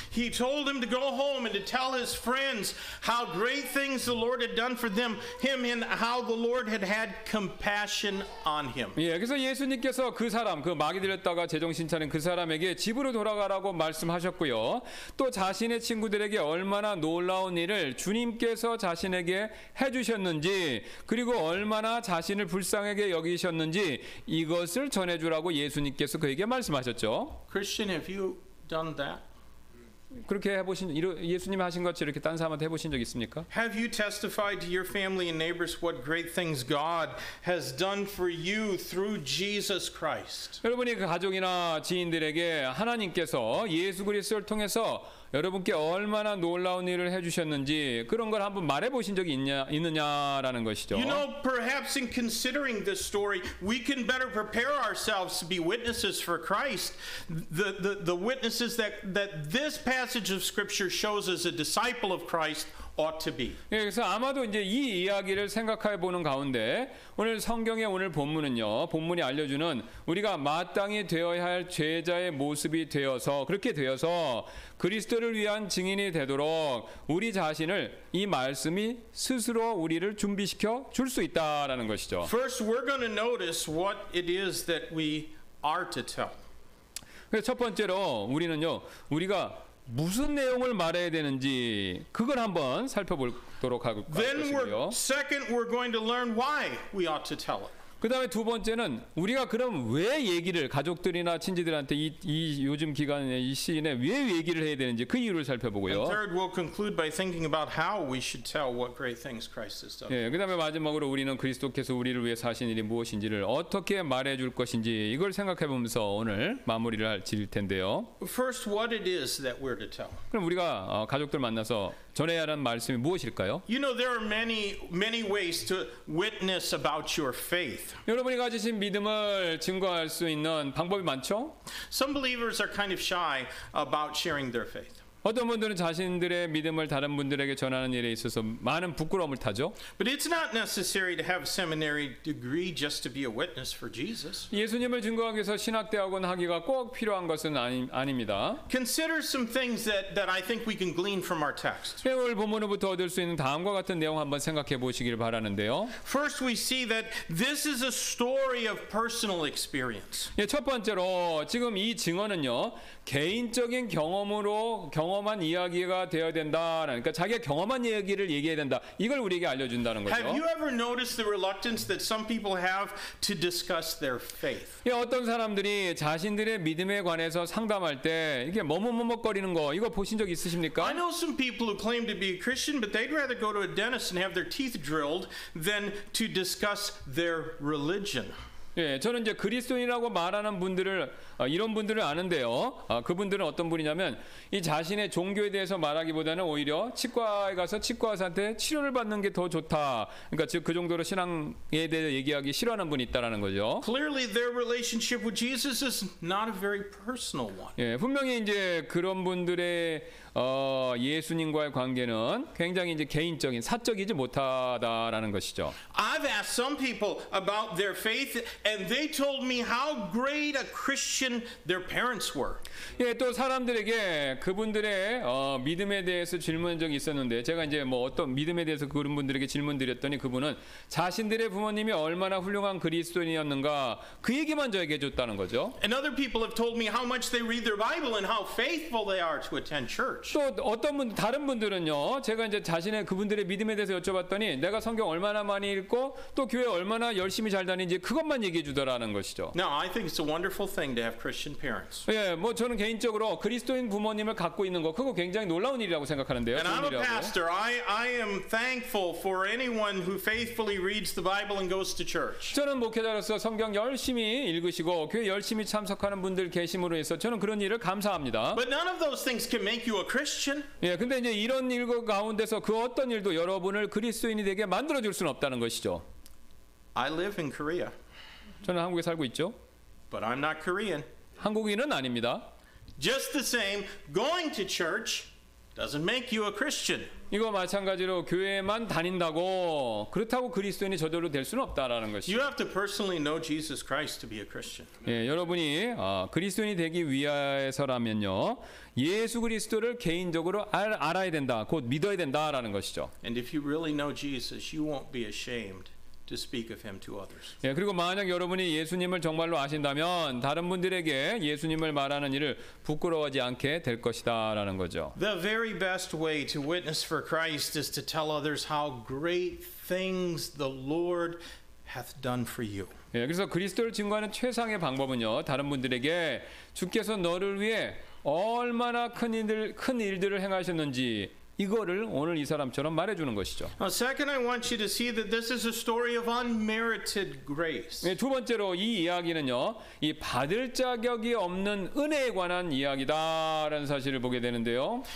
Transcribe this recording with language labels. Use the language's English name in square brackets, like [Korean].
[English] He told him to go home and to tell his friends how great things the Lord had done for him and how the Lord had compassion on him. [Korean] 예, 그래서 예수님께서 그 사람 그 마귀 들렸다가 제정신 차린 그 사람에게 집으로 돌아가라고 말씀하셨고요. 또 자신의 친구들에게 얼마나 놀라운 일을 주님께서 자신에게 해 주셨는지 그리고 얼마나 자신을 불쌍하게 여기셨는지 이것을 전해주라고 예수님께서 그에게 말씀하셨죠. [English] Christian, have you done that? [Korean] 그렇게 해보신 예수님 하신 것처럼 이렇게 다른 사람한테 해보신 적 있습니까? [English] Have you testified to your family and neighbors what great things God has done for you through Jesus Christ? [Korean] 여러분이 가족이나 지인들에게 하나님께서 예수 그리스도를 통해서 여러분께 얼마나 놀라운 일을 해주셨는지 그런 걸 한번 말해보신 적이 있느냐라는 것이죠. [English] You know, perhaps in considering this story, we can better prepare ourselves to be witnesses for Christ. The witnesses that this passage of Scripture shows as a disciple of Christ ought to be. [Korean] 예, 그래서 아마도 이제 이 이야기를 생각해 보는 가운데 오늘 성경의 오늘 본문은요, 본문이 알려주는 우리가 마땅히 되어야 할 제자의 모습이 되어서 그렇게 되어서 그리스도를 위한 증인이 되도록 우리 자신을 이 말씀이 스스로 우리를 준비시켜 줄 수 있다라는 것이죠. [English] First, we're going to notice what it is that we are to tell. [Korean] 첫 번째로 우리는요, 우리가 무슨 내용을 말해야 되는지 그걸 한번 살펴보도록 할 것이고요. [English] Then we're, second, we're going to learn why we ought to tell it. [Korean] 그다음에 두 번째는 우리가 그럼 왜 얘기를 가족들이나 친지들한테 이 요즘 기간에 이 시즌에 왜 얘기를 해야 되는지 그 이유를 살펴보고요. [English] And third, we'll conclude by thinking about how we should tell what great things Christ has done. [Korean] 예, 그다음에 마지막으로 우리는 그리스도께서 우리를 위해 사신 일이 무엇인지를 어떻게 말해 줄 것인지 이걸 생각해 보면서 오늘 마무리를 할 텐데요. [English] First, what it is that we're to tell. [Korean] 그럼 우리가 가족들 만나서 전해야 하는 말씀이 무엇일까요? [English] You know there are many many ways to witness about your faith. [Korean] 여러분이 가지신 믿음을 증거할 수 있는 방법이 많죠? [English] Some believers are kind of shy about sharing their faith. [Korean] 어떤 분들은 자신들의 믿음을 다른 분들에게 전하는 일에 있어서 많은 부끄러움을 타죠. [English] But it's not necessary to have a seminary degree just to be a witness for Jesus. [Korean] 예수님을 증거하기 위해서 신학대학원 학위가 꼭 필요한 것은 아닙니다. [English] Consider some things that I think we can glean from our text. [Korean] 오늘 본문으로부터 얻을 수 있는 다음과 같은 내용 한번 생각해 보시기를 바라는데요. [English] First, we see that this is a story of personal experience. [Korean] 예, 첫 번째로 지금 이 증언은요. 개인적인 경험으로 경험한 이야기가 되어야 된다. 그러니까 자기가 경험한 이야기를 얘기해야 된다. 이걸 우리에게 알려준다는 거죠. [English] Have you ever noticed the reluctance that some people have to discuss their faith? [Korean] 예, 어떤 사람들이 자신들의 믿음에 관해서 상담할 때 이게 머뭇머뭇거리는 거 이거 보신 적 있으십니까? [English] I know some people who claim to be a Christian, but they'd rather go to a dentist and have their teeth drilled than to discuss their religion. [Korean] 예, 저는 이제 그리스도인이라고 말하는 분들을 이런 분들을 아는데요. 그분들은 어떤 분이냐면 이 자신의 종교에 대해서 말하기보다는 오히려 치과에 가서 치과의사한테 치료를 받는 게 더 좋다. 그러니까 즉 그 정도로 신앙에 대해 얘기하기 싫어하는 분이 있다라는 거죠. [English] Clearly their relationship with Jesus is not a very personal one. [Korean] 예, 분명히 이제 그런 분들의 예수님과의 관계는 굉장히 이제 개인적인 사적이지 못하다라는 것이죠. [English] I've asked some people about their faith and they told me how great a Christian their parents were. [Korean] 예, 또 사람들에게 그분들의 믿음에 대해서 질문한 적이 있었는데 제가 이제 뭐 어떤 믿음에 대해서 그런 분들에게 질문 드렸더니 그분은 자신들의 부모님이 얼마나 훌륭한 그리스도인이었는가 그 얘기만 저에게 줬다는 거죠. [English] And other people have told me how much they read their Bible and how faithful they are to attend church. [Korean] 또 어떤 분 다른 분들은요. 제가 이제 자신의 그분들의 믿음에 대해서 여쭤봤더니 내가 성경 얼마나 많이 읽고 또 교회 얼마나 열심히 잘 다니는지 그것만 얘기해 주더라는 것이죠. [English] Now, I think it's a wonderful thing to have Christian parents. [Korean] 예, 뭐 저는 개인적으로 그리스도인 부모님을 갖고 있는 거 그거 굉장히 놀라운 일이라고 생각하는데요. [English] And I'm a pastor. I am thankful for anyone who faithfully reads the Bible and goes to church. [Korean] 저는 목회자로서 성경 열심히 읽으시고 교회 열심히 참석하는 분들 계심으로 해서 저는 그런 일을 감사합니다. [English] But none of those things can make you a Christian? [Korean] 예, 근데 이제 이런 일 가운데서 그 어떤 일도 여러분을 그리스도인이 되게 만들어 줄 수는 없다는 것이죠. [English] I live in Korea. [Korean] 저는 한국에 살고 있죠. [English] But I'm not Korean. [Korean] 한국인은 아닙니다. [English] Just the same, going to church doesn't make you a Christian. [Korean] 이거 마찬가지로 교회만 다닌다고 그렇다고 그리스도인이 저절로 될 수는 없다라는 것이죠. [English] You have to personally know Jesus Christ to be a Christian. [Korean] 예, 여러분이 그리스도인이 되기 위해서라면요. 예수 그리스도를 개인적으로 알아야 된다. 곧 믿어야 된다라는 것이죠. [English] And if you really know Jesus, you won't be ashamed to speak of him to others. [Korean] 예, 그리고 만약 여러분이 예수님을 정말로 아신다면 다른 분들에게 예수님을 말하는 일을 부끄러워하지 않게 될 것이다라는 거죠. [English] The very best way to witness for Christ is to tell others how great things the Lord hath done for you. [Korean] 예, 그래서 그리스도를 증거하는 최상의 방법은요. 다른 분들에게 주께서 너를 위해 얼마나 큰 일들을 행하셨는지 이거를 오늘 이 사람처럼 말해 주는 것이죠. [English] Second, I want you to see that this is a story of unmerited grace. [Korean] 네, 두 번째로 이 이야기는요. 이 받을 자격이 없는 은혜에 관한 이야기다라는 사실을 보게 되는데요.